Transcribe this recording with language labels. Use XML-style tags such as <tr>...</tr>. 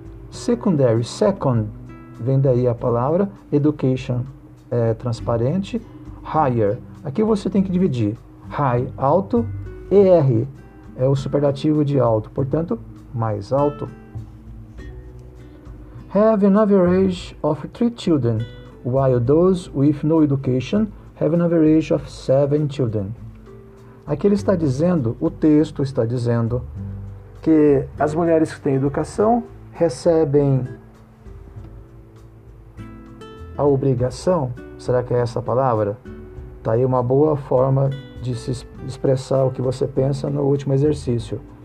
<pt>Secondary, second, vem daí a palavra, education é transparente, higher, Aqui você tem que dividir high, alto, er, é o superlativo de alto, portanto, mais alto.</pt> <en>Have an average of 3 children, while those with no education have an average of 7 children.</en> <pt>Aqui ele está dizendo, o texto está dizendo, que as mulheres que têm educação recebem a obrigação. Será que é essa a palavra? Está aí uma boa forma de se expressar o que você pensa no último exercício.</pt>